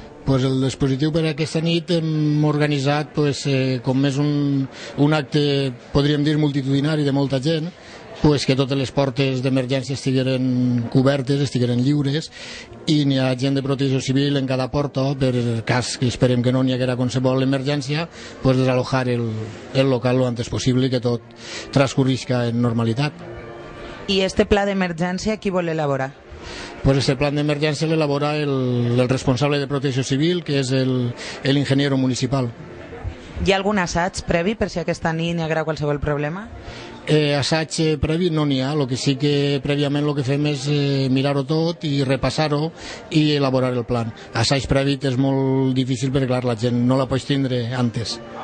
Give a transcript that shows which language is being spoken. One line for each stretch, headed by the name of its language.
Catalan: Pues el dispositiu per aquesta nit hem organitzat pues, com més un acte, podríem dir, multitudinari de molta gent, pues que totes les portes d'emergència estigueren cobertes, estigueren lliures, i n'hi ha gent de Protecció Civil en cada porta, per cas que esperem que no n'hi haguera qualsevol emergència, pues desalojar el local
Spanish: lo antes
Catalan: possible i que tot transcurrisca en normalitat. I este pla d'emergència qui vol elaborar?
Spanish: Pues este plan de emergencia lo elabora el responsable de Protección Civil, que es el ingeniero municipal.
Catalan: ¿Hi ha algun assaig previ per si aquesta nit hi haurà qualsevol problema? Assaig previ no n'hi ha, el que sí que prèviament el que fem és mirar-ho tot i repassar-ho i elaborar el plan. Assaig previ és molt difícil perquè clar, la gent no la pots tindre antes.